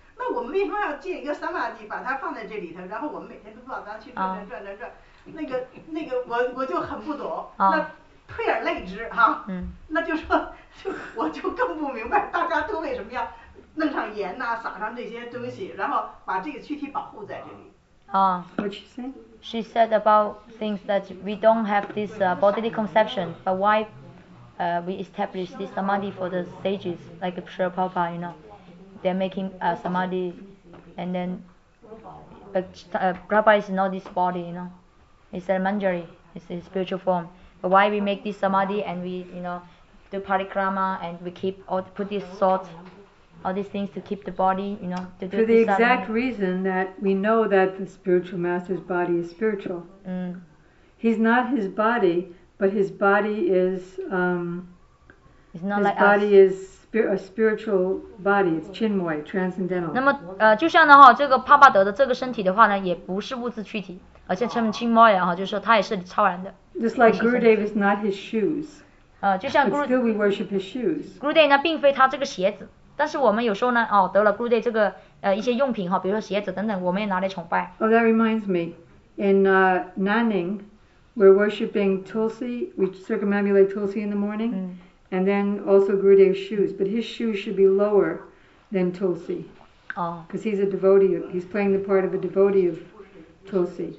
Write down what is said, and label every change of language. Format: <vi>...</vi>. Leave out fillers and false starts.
<zh>那我们为什么要建一个三玛地，把它放在这里头，然后我们每天都不知道咱去转。那个我就很不懂。那退而类之哈。那就说，就我就更不明白大家都为什么要弄上盐呐、撒上这些东西，然后把这个躯体保护在这里。</zh> <en>What'd she say? She said about things that we don't have this bodily conception, but why we establish this samadhi for the sages, like Srila Prabhupada, you know. They're making a samadhi, and then, but Prabhupada is not this body, you know. It's a manjari, it's a spiritual form. But why we make this samadhi and we, you know, do parikrama and we keep all, put this thought, all these things to keep the body, you know, to do for the exact reason that we know that the spiritual master's body is spiritual. Mm. He's not his body, but his body is it's not his like body us. Is a spiritual body, it's chinmoy, transcendental.</en> <zh>那么就像的话，这个帕巴德的这个身体的话呢，也不是物质躯体，而且称chinmoy啊，就是说他也是超然的。</zh> <en>Just like Gurudev is not his shoes.</en> <zh>就像</zh> <en>But still we worship his shoes.</en> <zh>Gurudev 呢，并非他这个鞋子。但是我们有时候呢，哦，得了 Gurudev 这个一些用品哈，比如说鞋子等等，我们也拿来崇拜。</zh> <en>Oh, that reminds me, in Nanning, we're worshiping Tulsi, we circumambulate Tulsi in the morning,、嗯、 and then also Gurudev's shoes, but his shoes should be lower than Tulsi, because、哦、 he's a devotee, he's playing the part of a devotee of Tulsi.、</en>